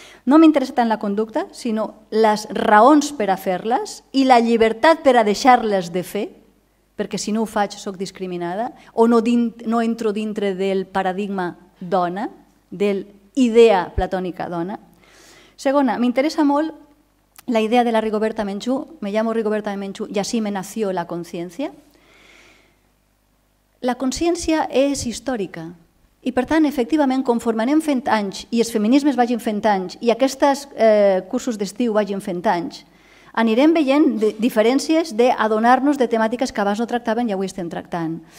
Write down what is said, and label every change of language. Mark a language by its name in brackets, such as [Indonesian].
[Catalan] No m'interessa tant la conducta, sinó les raons per a fer-les i la llibertat per a deixar-les de fer, perquè si no ho faig sóc discriminada o no entro dintre del paradigma dona, de l'idea platònica dona. Segona, m'interessa molt la idea de la Rigoberta Menchú. [Spanish] Me llamo Rigoberta Menchú y así me nació la conciencia. [Catalan] La consciència és històrica i, per tant, efectivament, conforme anem fent anys i els feminismes vagin fent anys i aquests cursos d'estiu vagin fent anys, anirem veient diferències d'adonar-nos de temàtiques que abans no tractaven i avui estem tractant.